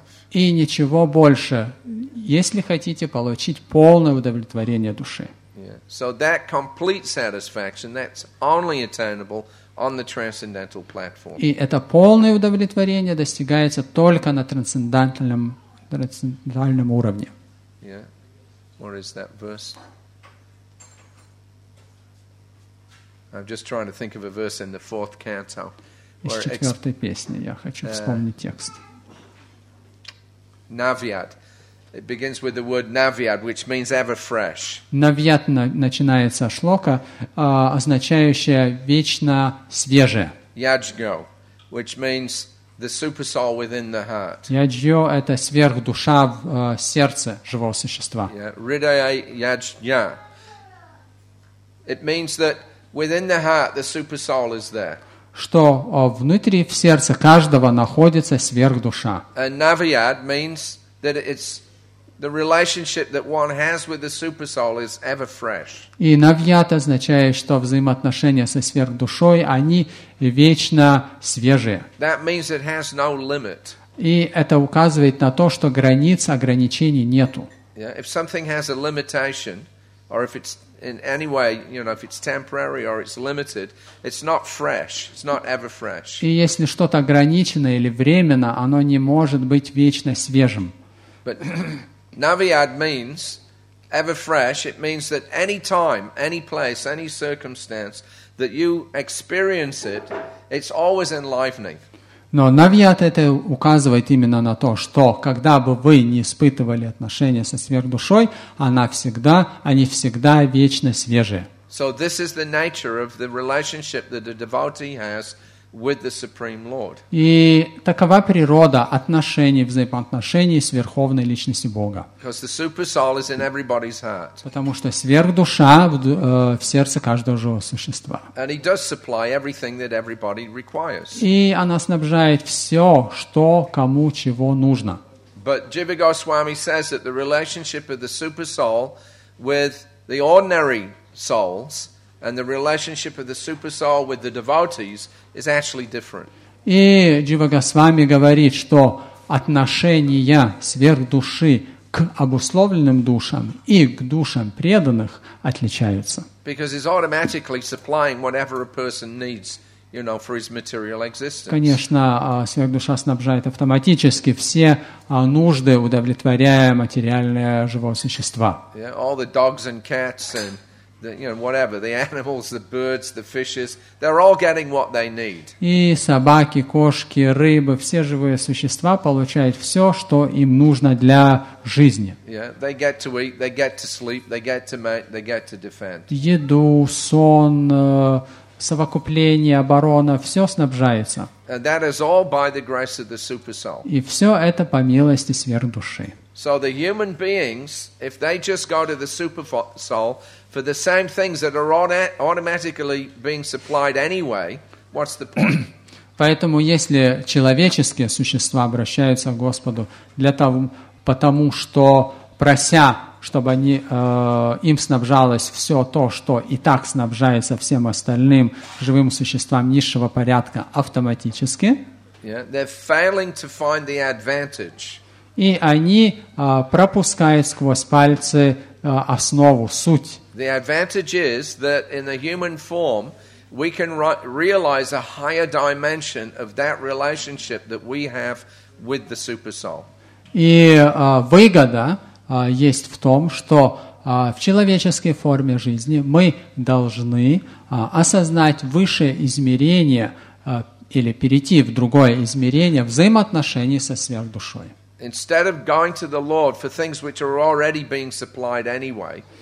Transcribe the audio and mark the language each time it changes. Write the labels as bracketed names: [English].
[Russian] И ничего больше, если хотите получить полное удовлетворение души. [English] So that complete satisfaction, that's only attainable on the transcendental platform. [Russian] И это полное удовлетворение достигается только на трансцендентальном уровне. [English] Yeah. What is that verse? I'm just trying to think of a verse in the fourth canto. [Russian] Из четвертой песни я хочу вспомнить текст. [Sanskrit] Navyat. [English] It begins with the word navyat, which means ever fresh. [Russian] Navyat начинается шлока, означающая вечно свежее. [English] Yajgo, which means the supersoul within the heart. [Russian] Yajgo – это сверхдуша в сердце живого существа. [Sanskrit] Ridaya yajna. [English] It means that within the heart the supersoul is there. [Russian] Что внутри в сердце каждого находится сверхдуша. [English] Navyat means that it's the relationship that one has with the supersoul is ever fresh. [Russian] И навьят означает, что взаимоотношения со сверхдушой они вечно свежие. [English] That means it has no limit. [Russian] И это указывает на то, что границ ограничений нету. [English] Yeah, if something has a limitation, or if it's in any way, you know, if it's temporary or it's limited, it's not fresh, it's not ever fresh. [Russian] И если что-то ограничено или временно, оно не может быть вечно свежим. [English] But navyad means ever fresh. It means that any time, any place, any circumstance that you experience it, it's always enlivening. [Russian] Но навьят это указывает именно на то, что когда бы вы не испытывали отношения со сверхдушой, они всегда вечно свежие. [English] So this is the nature of the relationship that a devotee has with the Supreme Lord. [Russian] И такова природа отношений, взаимоотношений с Верховной Личностью Бога. [English] Because the supersoul is in everybody's heart. [Russian] Потому что сверхдуша в сердце каждого живого существа. [English] And he does supply everything that everybody requires. [Russian] И она снабжает все, что кому чего нужно. [English] But Jiva Goswami says that the relationship of the supersoul with the ordinary souls and the relationship of the supersoul with the devotees is actually different. [Russian] И Джива Госвами говорит, что отношение сверхдуши к обусловленным душам и к душам преданных отличаются. [English] Because he's automatically supplying whatever a person needs, you know, for his material existence. [Russian] Конечно, сверхдуша снабжает автоматически все нужды, удовлетворяя материальное живое существо. [English] Yeah, all the dogs and cats and the, you know, whatever, the animals, the birds, the fishes, they're all getting what they need. [Russian] И собаки, кошки, рыбы, все живые существа получают все, что им нужно для жизни. [English] Yeah, they get to eat, they get to sleep, they get to mate, they get to defend. [Russian] Еду, сон, совокупление, оборона, все снабжается. [English] And that is all by the grace of the supersoul. [Russian] И все это по милости сверхдуши. [English] So the human beings, if they just go to the supersoul for the same things that are automatically being supplied anyway, what's the point? [Russian] Поэтому если человеческие существа обращаются к Господу для того, потому что прося, чтобы они им снабжалось все то, что и так снабжается всем остальным живым существам низшего порядка автоматически, [English] yeah, they're failing to find the advantage. [Russian] И они пропускают сквозь пальцы основу, суть. [English] The advantage is that in the human form we can realize a higher dimension of that relationship that we have with the super soul. [Russian] И выгода есть в том, что в человеческой форме жизни мы должны осознать высшее измерение или перейти в другое измерение взаимоотношений со сверхдушой. [English] Instead of going to the Lord for things which are already being supplied anyway.